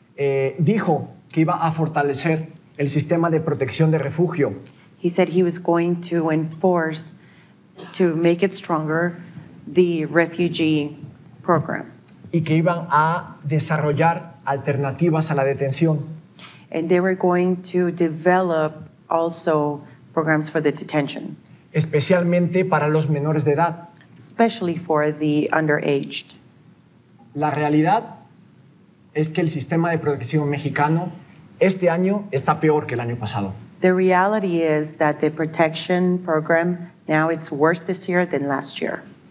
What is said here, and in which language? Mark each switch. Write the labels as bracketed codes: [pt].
[es] Dijo que iba a fortalecer el sistema de protección de refugio. [en] He said he was going to enforce, to make it stronger, the refugee program. [es] Y que iban a desarrollar alternativas a la detención. [en] And they were going to develop also programs for the detention. [es] Especialmente para los menores de edad. [en] Especially for the underaged. [es] La realidad es que el sistema de protección mexicano este año está peor que el año pasado. [en] The reality is that the protection program now it's worse this year than last year.